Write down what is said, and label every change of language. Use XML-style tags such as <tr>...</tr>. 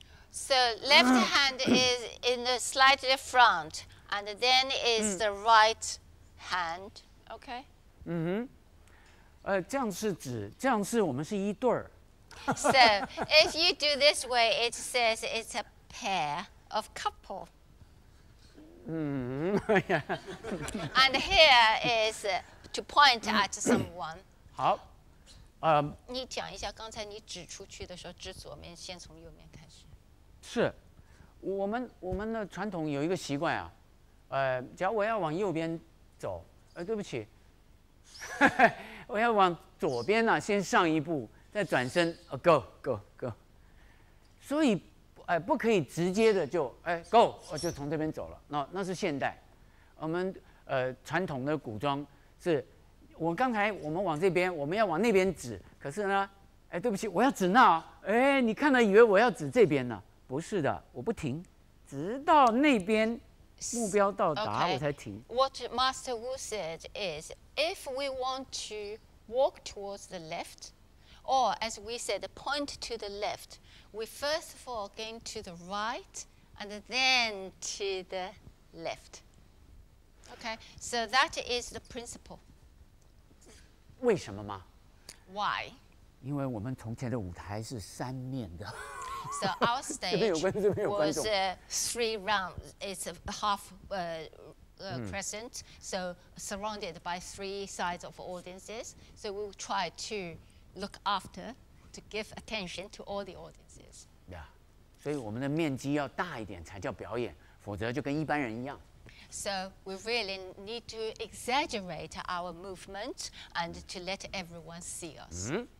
<en>So left hand is in the slightly front, and then is the right hand. Okay.</en> <zh>这样是指，这样是我们是一对儿。</zh> <en>So, if you do this way, it says it's a pair of couple. Yeah. And here is to point at someone.</en> <zh>好, 你讲一下刚才你指出去的时候,指左面,先从右面开始。是,我们的传统有一个习惯啊,只要我要往右边走,对不起,我要往左边啊,先上一步。再转身,</zh> <en>go, go, go.</en> <zh>所以不可以直接的就,</zh> <en>go,</en> <zh>就从这边走了。那是现代。我们传统的古装是,我们往这边,我们要往那边指,可是呢,对不起,我要指那,你看了以为我要指这边呢,不是的,我不停,直到那边目标到达,</zh> <en>okay,</en> <zh>我才停。</zh> <en>What Master Wu said is, if we want to walk towards the left, Or, as we said, point to the left. We first of all gain to the right, and then to the left. Okay, so that is the principle.</en> <zh>为什么吗?</zh> <en>Why?</en> <zh>因为我们从前的舞台是三面的。</zh> <en>So our stage</en> <zh>这边有观众,</zh> <en>was three rounds. It's a half crescent, so surrounded by three sides of audiences. So we will try to look after, to give attention to all the audiences. Yeah.</en> <zh>所以我们的面积要大一点才叫表演, 否则就跟一般人一样。</zh> <en>So we really need to exaggerate our movement and to let everyone see us.</en>